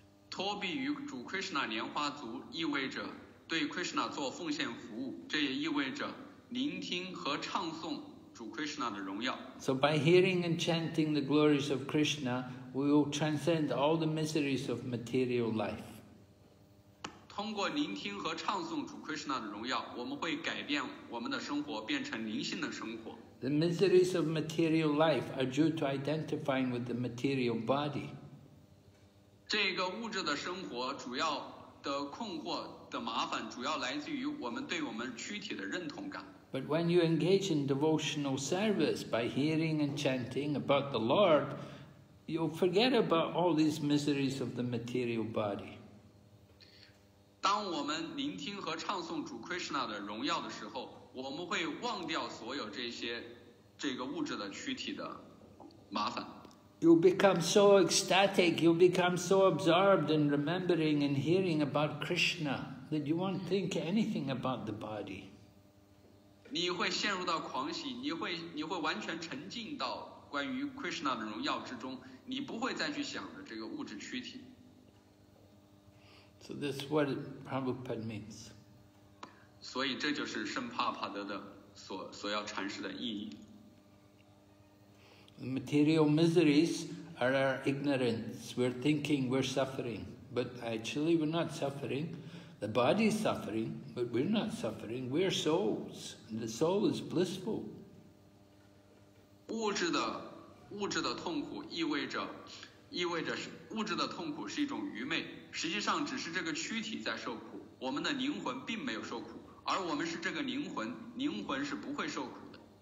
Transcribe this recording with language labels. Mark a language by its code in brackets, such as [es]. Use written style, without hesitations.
[zh] 托庇于主 Krishna 莲花足意味着对 Krishna 做奉献服务，这也意味着聆听和唱颂主 Krishna 的荣耀。 [en] So by hearing and chanting the glories of Krishna, we will transcend all the miseries of material life. [zh] 通过聆听和唱颂主 Krishna 的荣耀，我们会改变我们的生活，变成灵性的生活。 [en] The miseries of material life are due to identifying with the material body. [zh] 这个物质的生活主要的困惑的麻烦主要来自于我们对我们躯体的认同感。 [en] But when you engage in devotional service by hearing and chanting about the Lord, you'll forget about all these miseries of the material body. [zh] 当我们聆听和唱颂主 Krishna 的荣耀的时候，我们会忘掉所有这些这个物质的躯体的麻烦。 [en] You become so ecstatic, you become so absorbed in remembering and hearing about Krishna that you won't think anything about the body. [zh] 你会陷入到狂喜，你会完全沉浸到关于 Krishna 的荣耀之中，你不会再去想着这个物质躯体。 [en] So that's what Prabhupada means. [zh] 所以这就是圣帕帕德的所要阐释的意义。 [en] Material miseries are our ignorance. We're thinking we're suffering, but actually we're not suffering. The body is suffering, but we're not suffering. We're souls. The soul is blissful. [zh] 物质的痛苦意味着物质的痛苦是一种愚昧。实际上只是这个躯体在受苦，我们的灵魂并没有受苦，而我们是这个灵魂，灵魂是不会受苦的。